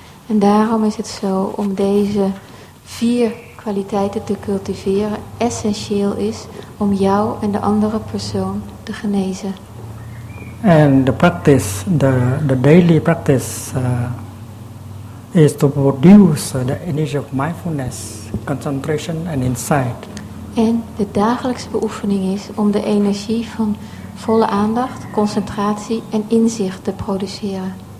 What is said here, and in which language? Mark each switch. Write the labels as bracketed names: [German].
[Dutch] En daarom is het zo om deze vier kwaliteiten te cultiveren, essentieel is om jou en de andere persoon te genezen. [English] And the practice, the daily practice, is to produce the energy of mindfulness, concentration and insight. [Dutch] En de dagelijkse beoefening is om de energie van volle aandacht, concentratie en inzicht te produceren.